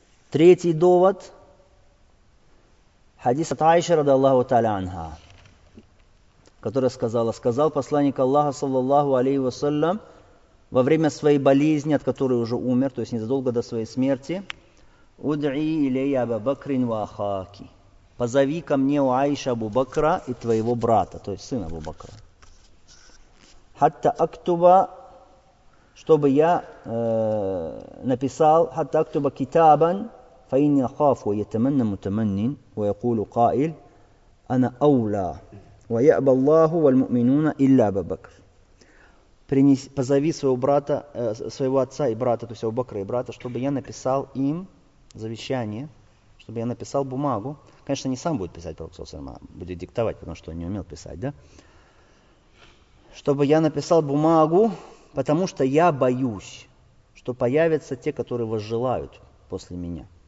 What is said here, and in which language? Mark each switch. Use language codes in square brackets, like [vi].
[ru] Третий довод. Хадис от Аиши, рады Аллаху Та'ля Анха, которая сказала, сказал посланник Аллаха, саллаллаху алейхи вассалям, во время своей болезни, от которой уже умер, то есть незадолго до своей смерти, [ar] «Уд'и илейя Абу Бакрин ва Ахаки». [ru] «Позови ко мне у Аиши Абу Бакра и твоего брата», то есть сына Абу Бакра. [ar] «Хатта актуба», [ru] чтобы я написал, [ar] «Хатта актуба китабан», فإني أخاف ويتمنى متمن ويقول قائل أنا أولى ويأبى الله والمؤمنون إلا أبا بكر. [ru] Позови своего брата, своего отца и брата, то есть Абу Бакра и брата, чтобы я написал им завещание, чтобы я написал бумагу. Конечно, не сам будет писать, пророк саллаллаху алейхи ва саллям, будет диктовать, потому что он не умел писать, да? Чтобы я написал бумагу, потому что я боюсь, что появятся те, которые возжелают после меня.